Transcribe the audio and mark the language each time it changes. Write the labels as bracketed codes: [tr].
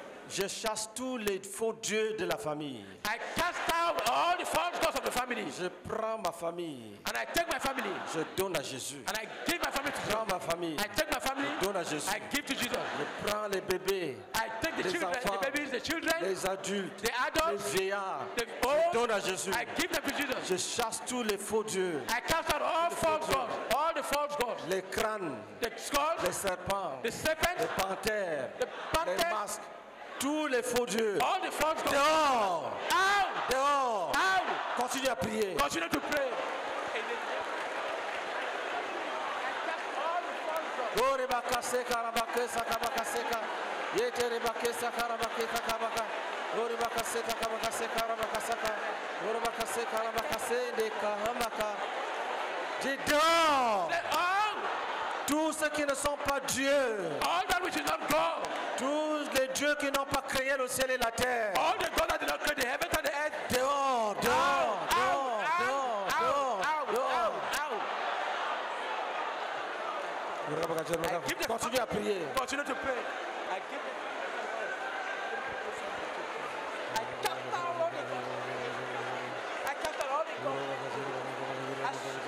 [fr] Je chasse tous les faux dieux de la famille. [en] I cast out all the false gods of the family. [fr] Je prends ma famille. [en] And I take my family. [fr] Je donne à Jésus. [en] And I give my family to [fr] prends ma famille. [en] I take my family. [fr] Je donne à Jésus. [en] I give to Jesus. [fr] Je prends les bébés. [en] I take the children, [fr] enfants, [en] the babies, the children. [fr] Les adultes. [en] The adults. [fr] Les vieillards. [en] The old. [fr] Je donne à Jésus. [en] I give them to Jesus. [fr] Je chasse tous les faux dieux. [en] I cast out all the false gods. All the false gods. [fr] Les crânes. [en] The skulls. [fr] Les serpents. [en] The serpents. [fr] Les panthères. [en] The panthères. [fr] Les masques. Tous les faux dieux. [en] All the false gods. [fr] Dehors. [en] Out. [fr] Dehors. [en] Out. [fr] Continue à prier. [en] Continue to pray. Glory back to Seka, back to Saka, back to Seka. Yeter back to Saka, back to Saka, back to. Glory back to Seka, back to Seka, back to Saka. Glory back to Seka, back to Seka, back to. Dehors. Out. [fr] Tous ceux qui ne sont pas Dieu. [en] All that which is not God. [fr] Tous les dieux qui n'ont pas créé le ciel et la terre. [en] All the gods that did not create the heavens and the earth. [fr] Dehors, dehors, [en] out, [fr] dehors, dehors, [en] out, [fr] dehors, [en] out, [fr] dehors. [en] Out, out, [fr] out. Continue à prier. [en] Continue to pray. I give the I cast out all the gods. I cast out all the gods.